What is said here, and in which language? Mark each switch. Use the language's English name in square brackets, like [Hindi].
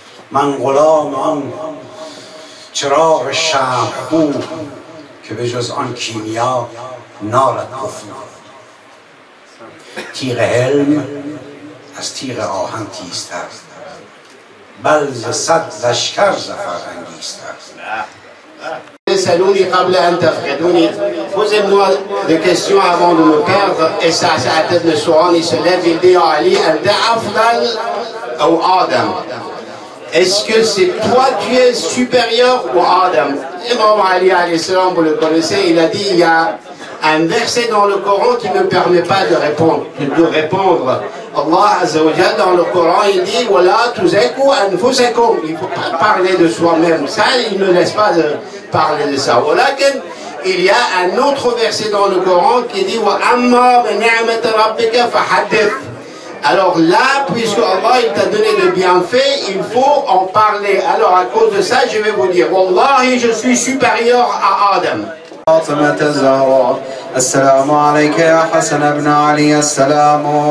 [Persian] من غلام آن چراغ شمع بود که به جز آن کیمیا نارد گفت. تیغ حلم از تیغ آهن تیزتر، بل ز صد لشکر ظفر انگیزتر. [Arabic] سألوني قبل أن تفقدوني. [French] Posez-moi des questions avant de me perdre. Et ça, c'est à tête de Souran. Il se lève, il dit à Ali, [Arabic] أنت أفضل أو آدم. [French] Est-ce que c'est toi qui es supérieur ou Adam? Imam Ali alayhi salam, vous le connaissez, il a dit, il y a un verset dans le Coran qui ne permet pas de répondre. Allah Azza wa Jalla dans le Coran, il dit, voilà, tous écoutez, il ne faut pas parler de soi-même. Ça, il ne laisse pas de parler de ça. Voilà, il y a un autre verset dans le Coran qui dit, [Arabic] wa amma bi ni'mat rabbika fa hadith. [French] Alors là, puisque Allah il t'a donné de bienfaits, il faut en parler. Alors à cause de ça, je vais vous dire, Wallahi, je suis supérieur à Adam. [Arabic] فاطمة الزهراء السلام عليك يا حسن ابن علي السلام